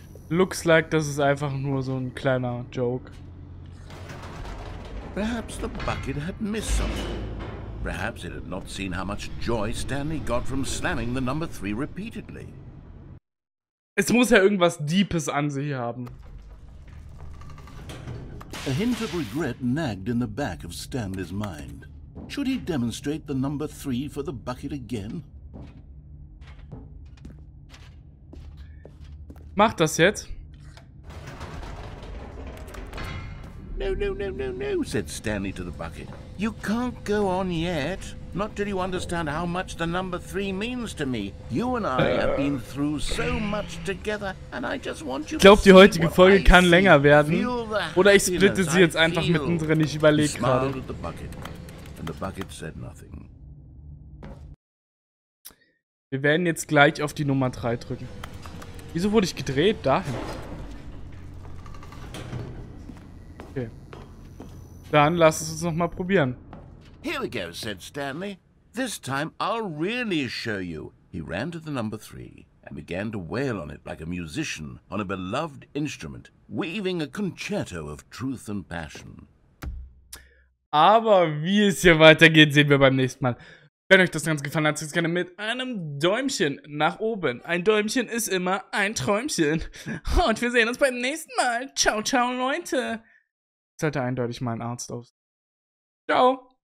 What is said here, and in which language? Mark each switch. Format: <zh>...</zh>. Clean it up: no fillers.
<en>Looks like</en> <de>das ist einfach nur so ein kleiner Joke.</de> <en>Perhaps the bucket had missed something. Perhaps it had not seen how much joy Stanley got from slamming the number 3 repeatedly.</en> <de>Es muss ja irgendwas Deepes an sich haben.</de> <en>A hint of regret nagged in the back of Stanley's mind. Should he demonstrate the number 3 for the bucket again?</en> <de>Mach das jetzt.</de> <en>No, no, no, no, no, said Stanley to the bucket. You can't go on yet. Not till you understand how much the number three means to me. You and I have been through so much together and I just want you to...</en> <de>Ich glaube, die heutige Folge kann länger werden. Oder ich splitte sie jetzt einfach mittendrin, ich überlege gerade.</de> <en>And the bucket said nothing.</en> <de>Wir werden jetzt gleich auf die Nummer 3 drücken. Wieso wurde ich gedreht? Dahin. Okay. Dann lass es uns nochmal probieren.</de> <en>Here we go, said Stanley. This time I'll really show you. He ran to the number 3 and began to wail on it like a musician on a beloved instrument, weaving a concerto of truth and passion.</en> <de>Aber wie es hier weitergeht, sehen wir beim nächsten Mal. Wenn euch das Ganze gefallen hat, zeigt es gerne mit einem Däumchen nach oben. Ein Däumchen ist immer ein Träumchen. Und wir sehen uns beim nächsten Mal. Ciao, ciao, Leute. Sollte eindeutig mal ein Arzt aus. Ciao.</de>